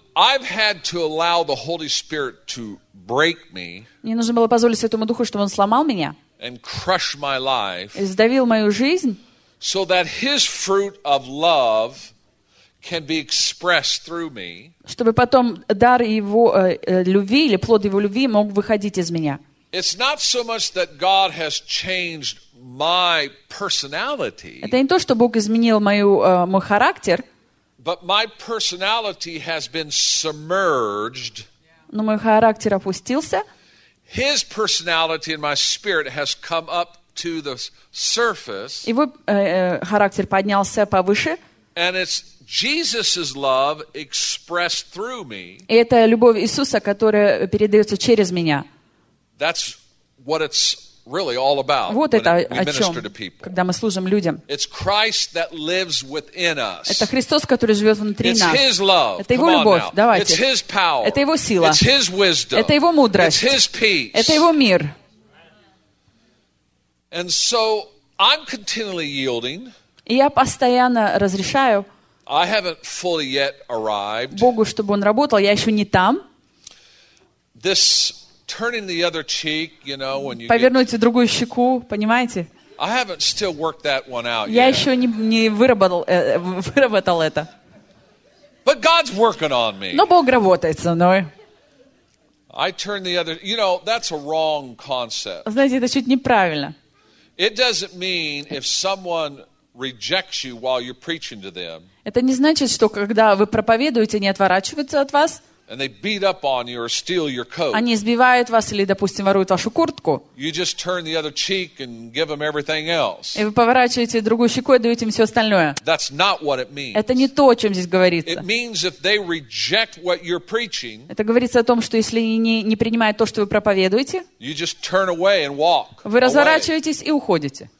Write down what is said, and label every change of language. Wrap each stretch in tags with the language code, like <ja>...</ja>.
<en>I've had to allow the Holy Spirit to break me.</en> <ru>Мне нужно было позволить Святому Духу, чтобы он сломал меня.</ru> <en>And crush my life.</en> <ru>И сдавил мою жизнь.</ru> <en>So that His fruit of love can be expressed through me.</en> <ru>Чтобы потом дар его любви или плод его любви мог выходить из меня.</ru> <en>It's not so much that God has changed my personality.</en> <ru>Это не то, что Бог изменил мой характер.</ru> <en>But my personality has been submerged.</en> <ru>Но мой характер опустился.</ru> <en>His personality and my spirit has come up to the surface.</en> <ru>Его характер поднялся повыше.</ru> <en>And it's Jesus's love expressed through me.</en> <ru>И это любовь Иисуса, которая передается через меня.</ru> <en>That's what it's really all about.</en> <ru>Вот это о чем, когда мы служим людям.</ru> <en>It's Christ that lives within us.</en> <ru>Это Христос, который живет внутри нас.</ru> <en>It's His love.</en> <ru>Это Его любовь. Давайте.</ru> <en>It's His power.</en> <ru>Это Его сила.</ru> <en>It's His wisdom.</en> <ru>Это Его мудрость.</ru> <en>It's His peace.</en> <ru>Это Его мир.</ru> <en>And so I'm continually yielding.</en> <ru>И я постоянно разрешаю.</ru> <en>I haven't fully yet arrived.</en> <ru>Богу, чтобы Он работал, я еще не там.</ru> <en>This turning the other cheek, you know, when you</en> <ru>повернуть другую щеку, понимаете?</ru> <en>I haven't still worked that one out yet.</en> <ru>Я еще не выработал это.</ru> <en>But God's working on me.</en> <ru>Но Бог работает со мной.</ru> <en>I turn the other, you know, that's a wrong concept.</en> <ru>Знаете, это чуть неправильно.</ru> <en>It doesn't mean if someone rejects you while you're preaching to them.</en> <ru>Это не значит, что когда вы проповедуете, они отворачиваются от вас.</ru> <en>And they beat up on you or steal your coat.</en> <ru>Они избивают вас или, допустим, воруют вашу куртку.</ru> <en>You just turn the other cheek and give them everything else.</en> <ru>И вы поворачиваете другую щеку и даете им все остальное.</ru> <en>That's not what it means.</en> <ru>Это не то, о чем здесь говорится.</ru> <en>It means if they reject what you're preaching.</en> <ru>Это говорится о том, что если не принимают то, что вы проповедуете.</ru> <en>You just turn away and walk.</en> <ru>Вы разворачиваетесь и уходите.</ru>